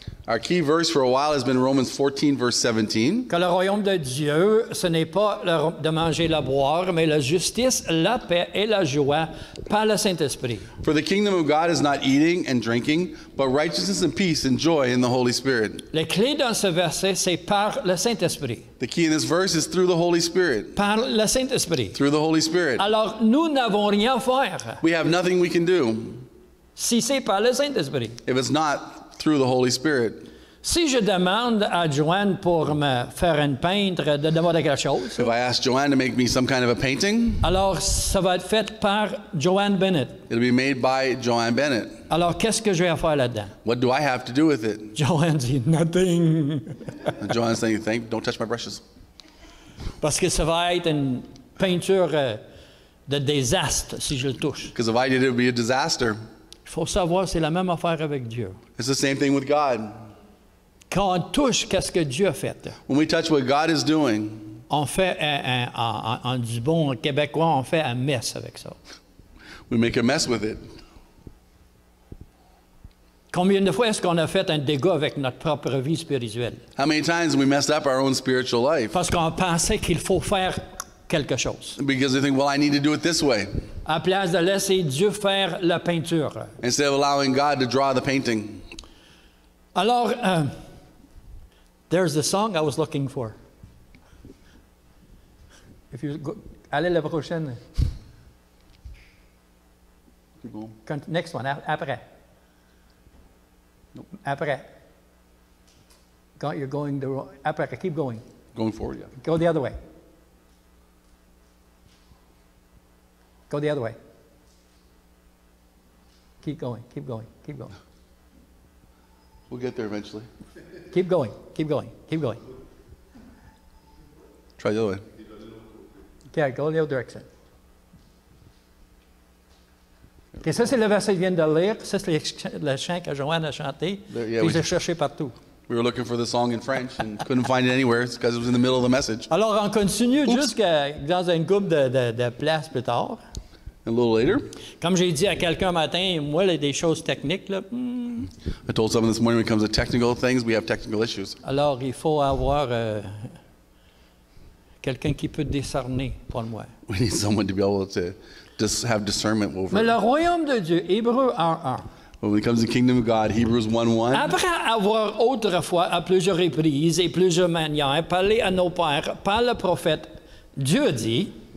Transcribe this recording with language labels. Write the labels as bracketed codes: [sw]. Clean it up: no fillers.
[en] Our key verse for a while has been Romans 14, verse 17. [fr] Que le royaume de Dieu, ce n'est pas de manger et de boire, mais la justice, la paix et la joie par le Saint-Esprit. [en] For the kingdom of God is not eating and drinking, but righteousness and peace and joy in the Holy Spirit. [fr] La clé dans ce verset, c'est par le Saint-Esprit. [en] The key in this verse is through the Holy Spirit. [fr] Par le Saint-Esprit. [en] Through the Holy Spirit. [fr] Alors, nous n'avons rien à faire. [en] We have nothing we can do. [fr] Si c'est par le Saint-Esprit. [en] If it's not through the Holy Spirit. [fr] Si je demande à Joanne pour me faire une peintre de demander quelque chose. [en] If I ask Joanne to make me some kind of a painting. [fr] Alors ça va être fait par Joanne Bennett. [en] It'll be made by Joanne Bennett. [fr] Alors qu'est-ce que je vais faire là-dedans? [en] What do I have to do with it? [fr] Joanne dit nothing. [en] Joanne saying thank, don't touch my brushes. [fr] Parce que ça va être une peinture de désastre si je le touche. [en] Because if I did it, it would be a disaster. [fr] Faut savoir, c'est la même affaire avec Dieu. [en] It's the same thing with God. [fr] Quand on touche, qu'est-ce que Dieu fait? [en] When we touch what God is doing, [fr] on fait un du bon québécois, on fait un mess avec ça. [en] We make a mess with it. [fr] Combien de fois est-ce qu'on a fait un dégât avec notre propre vie spirituelle? [en] How many times we messed up our own spiritual life? [fr] Parce qu'on pensait qu'il faut faire quelque chose. [en] Because we think, well, I need to do it this way. [fr] À place de laisser Dieu faire la peinture. [en] Instead of allowing God to draw the painting. Alors, there's the song I was looking for. If you go, [fr] allez la prochaine. Bon. [en] Next one, après. Nope. [fr] Après. [en] God, you're going the wrong, après, keep going. Going forward, yeah. Go the other way. Go the other way. Keep going, keep going, keep going. We'll get there eventually. Keep going, keep going, keep going. Try the other way. Okay, go the other direction. [fr] Okay, ça c'est le verset que je viens de lire. Ça c'est le chant que Joanne a chanté. Puis j'ai cherché partout. [en] We were looking for the song in French and couldn't find it anywhere because it was in the middle of the message. [fr] Alors on continue jusqu'à dans une couple de places plus tard. [en] A little later. [fr] Comme j'ai dit à quelqu'un matin, moi, il y a des choses techniques. Là. [en] I told someone this morning when it comes to technical things, we have technical issues. [fr] Alors, il faut avoir quelqu'un qui peut discerner pour moi. [en] We need someone to be able to just have discernment over. [fr] Mais le royaume de Dieu, Hébreux 1:1. [en] When it comes to the kingdom of God, Hebrews 1:1. [fr] Après avoir autrefois à plusieurs reprises et plusieurs manières parlé à nos pères par le prophète, Dieu dit.